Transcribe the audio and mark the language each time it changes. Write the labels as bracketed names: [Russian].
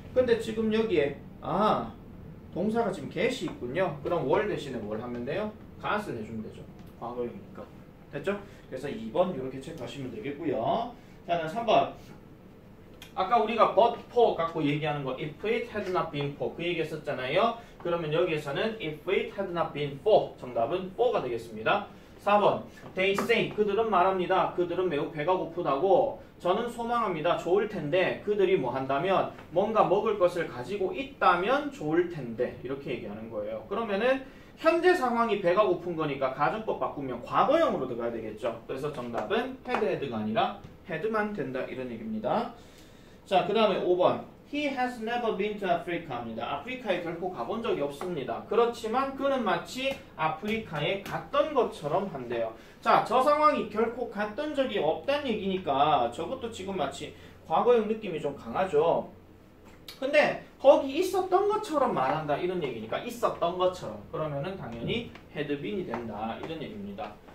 [Korean] 근데 지금 여기에 아 동사가 지금 get이 있군요. 그럼 were 대신에 뭘 하면 돼요? got을 해주면 되죠. 과거형이니까. 됐죠? 그래서 2번 이렇게 체크하시면 되겠고요. 자, 그럼 3번. 아까 우리가 but for 갖고 얘기하는 거 [English] if it had not been for [Korean] 그 얘기 했었잖아요. 그러면 여기에서는 [English] if it had not been for [Korean] 정답은 for가 되겠습니다. 4번 they say 그들은 말합니다. 그들은 매우 배가 고프다고 저는 소망합니다. 좋을 텐데 그들이 뭐 한다면 뭔가 먹을 것을 가지고 있다면 좋을 텐데 이렇게 얘기하는 거예요. 그러면은 현재 상황이 배가 고픈 거니까 가정법 바꾸면 과거형으로 들어가야 되겠죠. 그래서 정답은 had had가 아니라 had만 된다 이런 얘기입니다. 자, 그 다음에 5번. [English] He has never been to Africa [Korean] 입니다. 아프리카에 결코 가본 적이 없습니다. 그렇지만 그는 마치 아프리카에 갔던 것처럼 한대요. 자, 저 상황이 결코 갔던 적이 없다는 얘기니까 저것도 지금 마치 과거형 느낌이 좀 강하죠. 근데 거기 있었던 것처럼 말한다 이런 얘기니까 있었던 것처럼 그러면은 당연히 had been이 된다 이런 얘기입니다.